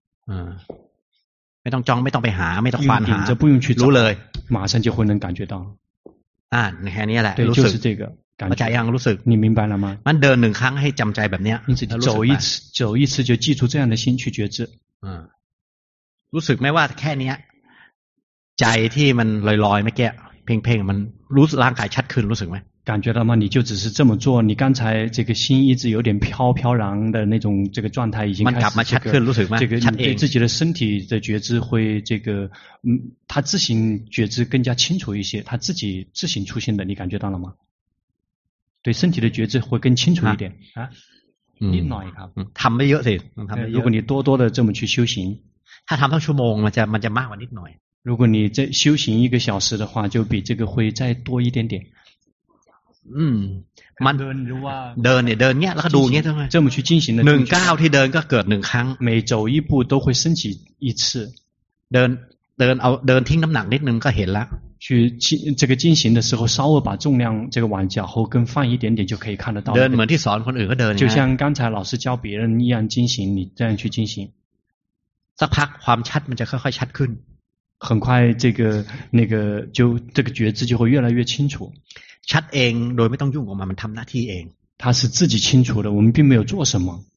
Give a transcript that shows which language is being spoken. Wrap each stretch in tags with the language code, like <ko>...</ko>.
<th>嗯ไม่ต้องจ้องไม่ต้องไปหาไม่ต้องควานหา ไม่ต้อง รู้เลย</th> <zh>马上就会能感觉到</zh> <th>啊แค่นี้แหละ</th> <zh>对就是这个感觉</zh> <th>ใจยังรู้สึก</th> <zh>你明白了吗</zh> <th>มันเดินหนึ่งครั้งให้จำใจแบบเนี้ย</th> <zh>走一次就记住这样的心去觉知</zh> <th>รู้สึกไม่ว่าแค่นี้ใจที่มันลอยๆเมื่อกี้เพ่งเพ่งมันรู้ร่างกายชัดขึ้นรู้สึกไหม</th> <zh>感觉到吗你就只是这么做你刚才这个心一直有点飘飘然的那种这个状态已经开始、这个、</zh> <th>มันกลับมาชัดขึ้นรู้สึกไหม</th> <zh>这个你对自己的身体的觉知会这个它自行觉知更加清楚一些它自己自行出现的你感觉到了吗对身体的觉知会更清楚一点嗯你</zh> <th>ทำไม่เยอะสิ</th> <zh>如果你多多的这么去修行</zh> <th>ถ้าทำทั้งชั่วโมงมันจะมากกว่านิดหน่อย</th> <zh>如果你这修行一个小时的话就比这个会再多一点点</zh> <th>มันเดินหรือว่าเดินเนี่ยเดินเนี้ยแล้วก็ดูเนี้ยทำไม จะมาชี้จริงๆเนี่ย หนึ่งก้าวที่เดินก็เกิดหนึ่งครั้ง</th> <zh>每走一步都会升起一次</zh> <th>เดินเอาเดินทิ้งน้ำหนักนิดนึงก็เห็นละ</th> <zh>去这个进行的时候稍微把重量这个往脚后跟放一点点就可以看得到</zh> <th>เดินเหมือนที่สอนคนอื่นก็เดิน</th> <zh>就像刚才老师教别人一样进行你这样去进行</zh> <th>สักพักความชัดมันจะค่อยๆชัดขึ้น</th> <zh>很快这个那个就这个觉知就会越来越清楚</zh> <th>ชัดเองโดยไม่ต้องยุ่งกับมันมันทำหน้าที่เอง</th> <zh>它是自己清楚的我们并没有做什么</zh>